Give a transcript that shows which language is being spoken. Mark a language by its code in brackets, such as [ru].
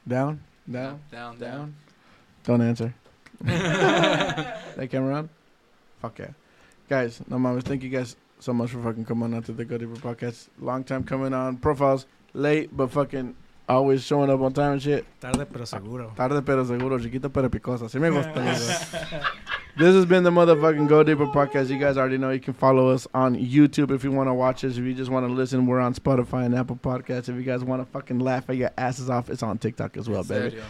[en] Down. Don't answer. That camera on? Fuck yeah. Guys, [es] no mames, [en] thank you guys so much for fucking coming on to the Go Deeper podcast. Long time coming on. Profiles, late, but fucking always showing up on time and shit. [es] Tarde, pero seguro. Tarde, pero seguro. Chiquito, pero picosa. Si me gusta. [en] This has been the motherfucking Go Deeper podcast. You guys already know you can follow us on YouTube if you want to watch us. If you just want to listen, we're on Spotify and Apple Podcasts. If you guys want to fucking laugh at your asses off, it's on TikTok as well, baby.